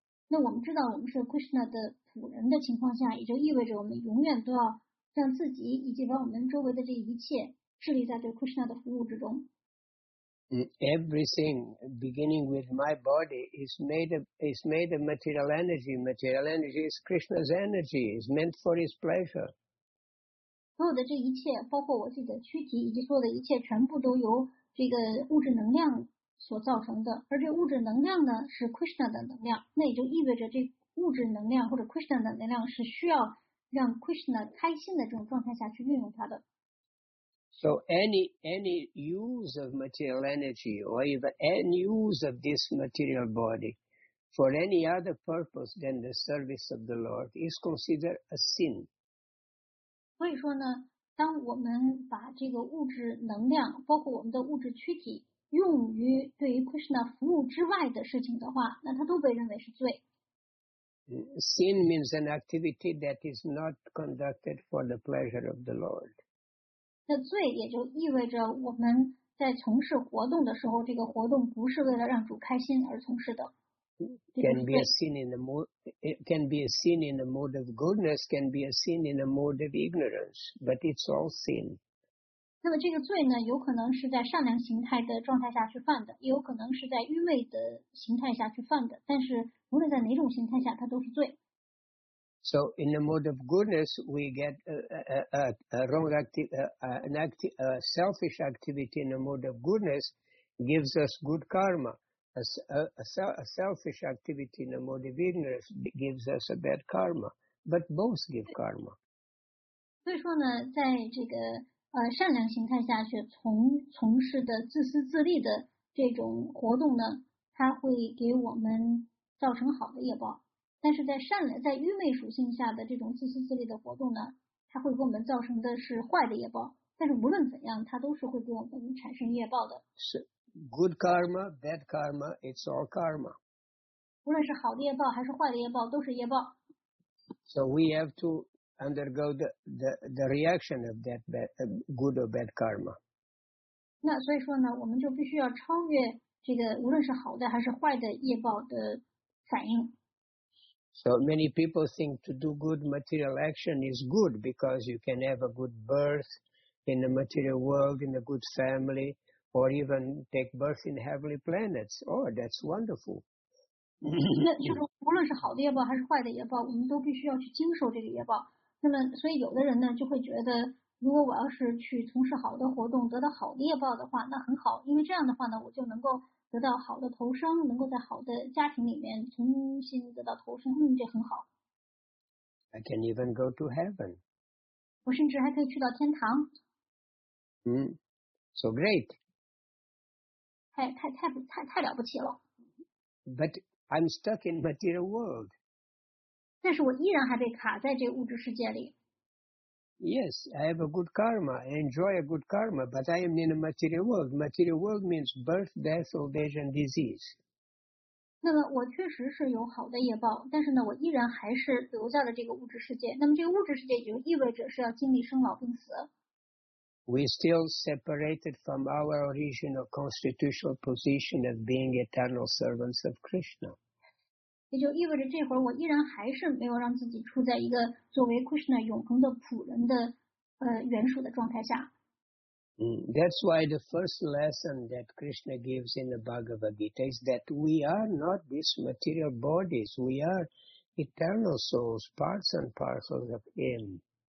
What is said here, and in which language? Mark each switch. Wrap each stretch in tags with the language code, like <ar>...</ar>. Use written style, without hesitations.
<zh>那我们知道我们是 Krishna 的主人的情况下，也就意味着我们永远都要让自己以及把我们周围的这一切致力在对 Krishna 的服务之中。</zh> <en>Everything beginning with my body is made of material energy. Material energy is Krishna's energy. It's meant for his pleasure.</en> <zh>所有的这一切，包括我自己的躯体以及所有的一切，全部都由这个物质能量所造成的。而这物质能量呢，是 Krishna 的能量。那也就意味着这物质能量或者 Krishna 的能量是需要让 Krishna 开心的这种状态下去运用它的。</zh> <en>So any use of material energy or even any use of this material body for any other purpose than the service of the Lord is considered a sin.</en> <zh>所以说呢，当我们把这个物质能量，包括我们的物质躯体，用于对于 Krishna 服务之外的事情的话，那它都被认为是罪。</zh> <en>Sin means an activity that is not conducted for the pleasure of the Lord.</en> <zh>那罪也就意味着我们在从事活动的时候，这个活动不是为了让主开心而从事的。</zh> <en>Can be a sin in the mode of goodness, can be a sin in the mode of ignorance, but it's all sin.</en> <zh>那么这个罪呢，有可能是在善良形态的状态下去犯的，也有可能是在愚昧的形态下去犯的，但是无论在哪种形态下，它都是罪。</zh> <en>So in the mode of goodness, we get a selfish activity in the mode of goodness gives us good karma. A selfish activity in the mode of ignorance gives us a bad karma. But both give karma.</en> <zh>所以说呢，在这个善良形态下去从事的自私自利的这种活动呢，它会给我们造成好的业报。但是在善良在愚昧属性下的这种自私自利的活动呢，它会给我们造成的是坏的业报，但是无论怎样它都是会给我们产生业报的。</zh> <en>是 good karma, bad karma, it's all karma.</en> <zh>无论是好的业报还是坏的业报都是业报。</zh> <en>So we have to undergo the reaction of that bad, good or bad karma.</en> <zh>那所以说呢，我们就必须要超越这个无论是好的还是坏的业报的反应。</zh> <en>So many people think to do good material action is good because you can have a good birth in the material world, in a good family, or even take birth in heavenly planets. Oh, that's wonderful.</en> <zh>那就是无论是好的业报还是坏的业报，我们都必须要去经受这个业报。那么，所以有的人呢就会觉得，如果我要是去从事好的活动，得到好的业报的话，那很好，因为这样的话呢，我就能够。得到好的投生，能够在好的家庭里面重新得到投生，这很好。</zh> <en>I can even go to heaven.</en> <zh>我甚至还可以去到天堂。</zh> <en>So great.</en> <zh>太了不起了。</zh> <en>But I'm stuck in material world.</en> <zh>但是我依然还被卡在这个物质世界里。</zh> <en>Yes, I have a good karma. I enjoy a good karma, but I am in a material world. Material world means birth, death, old age, and disease.</en> <zh>那么我确实是有好的业报，但是呢，我依然还是留在了这个物质世界。那么这个物质世界也就意味着是要经历生老病死。</zh> <en>We still separated from our original constitutional position of being eternal servants of Krishna.</en> <zh>也就意味着这会儿我依然还是没有让自己处在一个作为 Krishna 永恒的仆人的原属的状态下。</zh> <en>That's why the first lesson that Krishna gives in the Bhagavad Gita is that we are not these material bodies. We are eternal souls, parts and parcels of Him.</en>